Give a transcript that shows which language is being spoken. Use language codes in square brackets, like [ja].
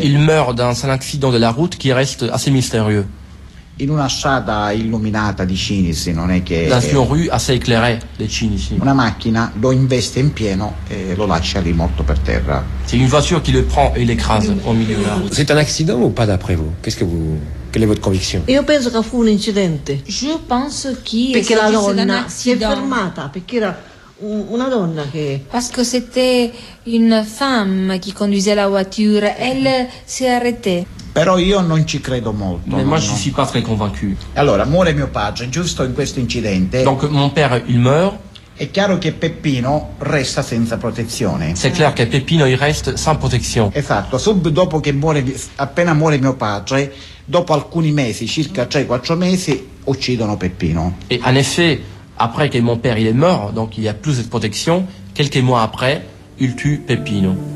[fr] Il meurt dans un accident de la route qui reste assez mystérieux. [it] In una strada illuminata di Cinisi, non è che [fr] dans une rue assez éclairée de Cinisi. [it] Una macchina lo investe in pieno e lo lascia lì morto per terra. [fr] C'est une voiture qui le prend et l'écrase au milieu de la route. C'est un accident ou pas d'après vous? Qu'est-ce que vous... Quelle est votre conviction? [it] Io penso che fu un incidente. [fr] Je pense qu'il s'agissait d'un accident. [it] Perché la donna si è fermata, perché era una donna che... [fr] Parce que c'était une femme qui conduisait la voiture, elle s'est arrêtée. [it] Però io non ci credo molto. [fr] Mais moi je suis pas très convaincu. [it] Allora, muore mio padre, giusto in questo incidente. [fr] Donc mon père, il meurt. [it] È chiaro che Peppino resta senza protezione. [fr] C'est clair que Peppino il reste sans protection. [it] Esatto, subito dopo che muore, appena muore mio padre, dopo alcuni mesi, circa 3-4 mesi, uccidono Peppino. [fr] Et en effet, après que mon père il est mort, donc il y a plus de protection, quelques mois après, il tue Peppino.